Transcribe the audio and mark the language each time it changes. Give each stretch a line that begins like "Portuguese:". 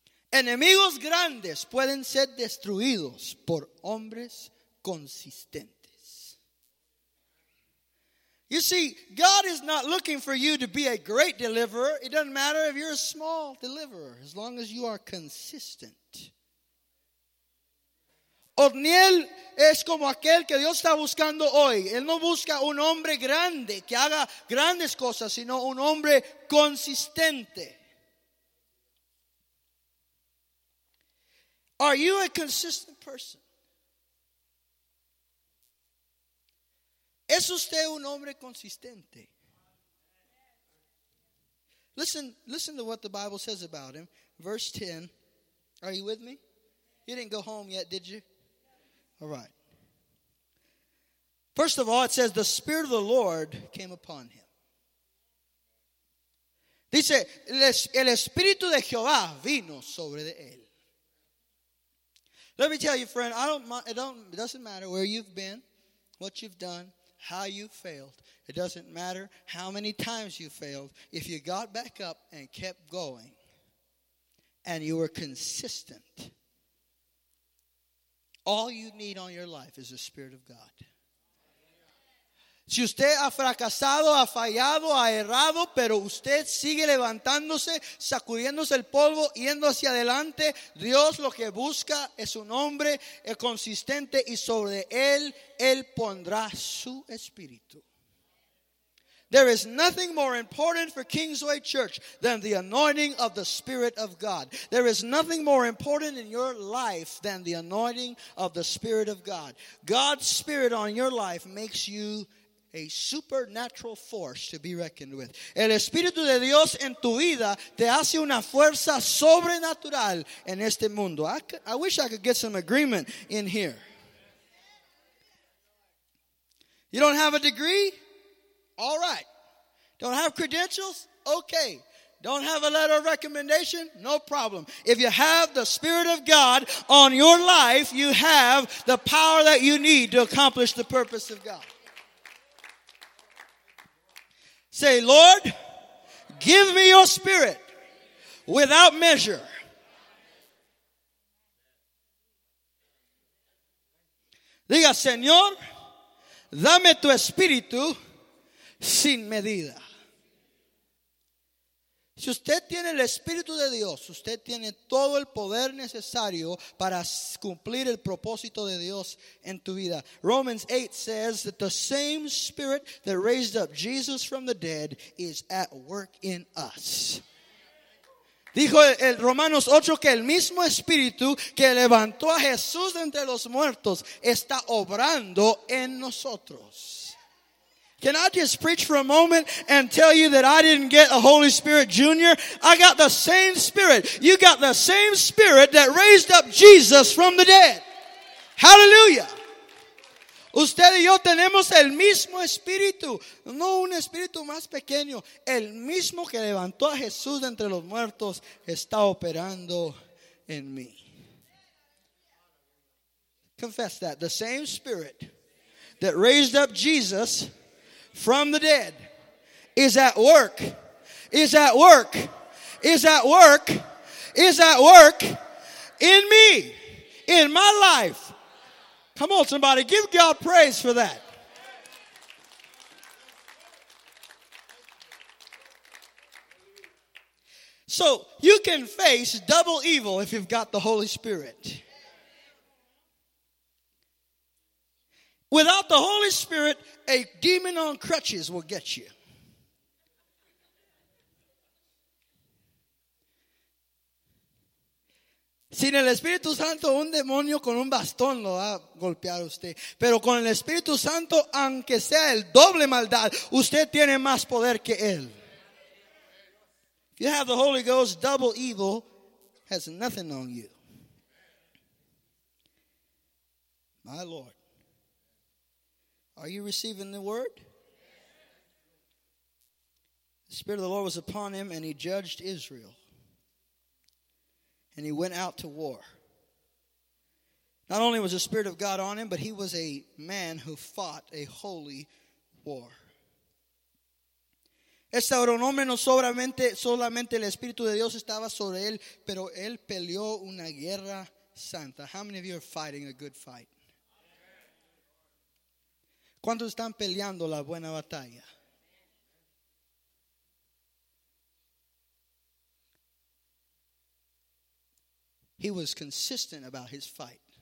Spanish: Enemigos grandes pueden ser destruidos por hombres consistentes.
English: You see, God is not looking for you to be a great deliverer. It doesn't matter if you're a small deliverer, as long as you are consistent.
Spanish: Othniel es como aquel que Dios está buscando hoy. Él no busca un hombre grande que haga grandes cosas, sino un hombre consistente.
English: Are you a consistent person?
Spanish: ¿Es usted un hombre consistente?
English: Listen to what the Bible says about him. Verse 10. Are you with me? You didn't go home yet, did you? All right. First of all, it says the Spirit of the Lord came upon him.
Spanish: Dice, el Espíritu de Jehová vino sobre él.
English: Let me tell you, friend, it doesn't matter where you've been, what you've done, how you failed. It doesn't matter how many times you failed. If you got back up and kept going and you were consistent, all you need on your life is the Spirit of God.
Spanish: Si usted ha fracasado, ha fallado, ha errado, pero usted sigue levantándose, sacudiéndose el polvo, yendo hacia adelante, Dios lo que busca es un hombre consistente y sobre él, él pondrá su Espíritu.
English: There is nothing more important for Kingsway Church than the anointing of the Spirit of God. There is nothing more important in your life than the anointing of the Spirit of God. God's Spirit on your life makes you a supernatural force to be reckoned with.
Spanish: El Espíritu de Dios en tu vida te hace una fuerza sobrenatural en este mundo.
English: I wish I could get some agreement in here. You don't have a degree? All right. Don't have credentials? Okay. Don't have a letter of recommendation? No problem. If you have the Spirit of God on your life, you have the power that you need to accomplish the purpose of God. Say, Lord, give me your Spirit without measure.
Spanish: Diga, Señor, dame tu Espíritu sin medida. Si usted tiene el Espíritu de Dios, usted tiene todo el poder necesario para cumplir el propósito de Dios en tu vida.
English: Romans 8 says that the same Spirit that raised up Jesus from the dead is at work in us.
Spanish: Dijo el Romanos 8 que el mismo Espíritu que levantó a Jesús de entre los muertos está obrando en nosotros.
English: Can I just preach for a moment and tell you that I didn't get a Holy Spirit junior? I got the same Spirit. You got the same Spirit that raised up Jesus from the dead.
Spanish: Hallelujah. Usted y yo tenemos el mismo Espíritu. No un Espíritu más pequeño. El mismo que levantó a Jesús de entre los muertos está operando en mí.
English: Confess that. The same Spirit that raised up Jesus from the dead is at work, is at work, is at work, is at work in me, in my life. Come on, somebody, give God praise for that. So you can face double evil if you've got the Holy Spirit. Without the Holy Spirit, a demon on crutches will get you.
Spanish: Sin el Espíritu Santo, un demonio con un bastón lo va a golpear usted. Pero con el Espíritu Santo, aunque sea el doble maldad, usted tiene más poder que él.
English: You have the Holy Ghost, double evil has nothing on you. My Lord, are you receiving the word? The Spirit of the Lord was upon him, and he judged Israel. And he went out to war. Not only was the Spirit of God on him, but he was a man who fought a holy war.
Spanish: Este hombre no solamente el Espíritu de Dios estaba sobre él, pero él peleó una guerra santa.
English: How many of you are fighting a good fight?
Spanish: ¿Cuántos están peleando la buena batalla?
English: He was consistent about his fight.